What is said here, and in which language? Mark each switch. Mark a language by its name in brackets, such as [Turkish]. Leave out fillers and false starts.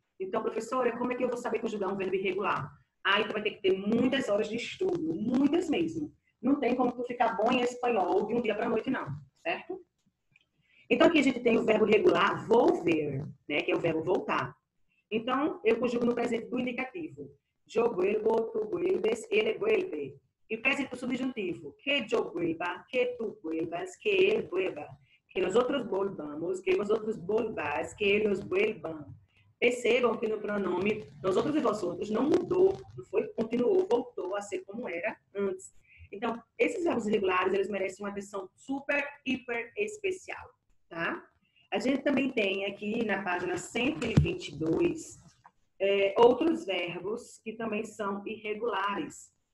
[Portuguese] Então, professora, como é que eu vou saber conjugar um verbo irregular? Aí tu vai ter que ter muitas horas de estudo, muitas mesmo. Não tem como tu ficar bom em espanhol de um dia para a noite, não, certo? Então, aqui a gente tem o verbo regular, volver, né, que é o verbo voltar. Então, eu conjugo no presente do indicativo. [Spanish] Yo vuelvo, tú vuelves, él vuelve. [Portuguese] E o presente do subjuntivo, [Spanish] que yo vuelva, que tú vuelvas, que él vuelva, que nosotros volvamos, que vosotros volváis, que ellos vuelvan. [Portuguese] Percebam que no pronome, nosotros e vosotros, não mudou, não foi, continuou, voltou a ser como era antes. Então, esses verbos irregulares, eles merecem uma atenção super, hiper especial, tá? A gente também tem aqui na página 122, outros verbos que também são irregulares.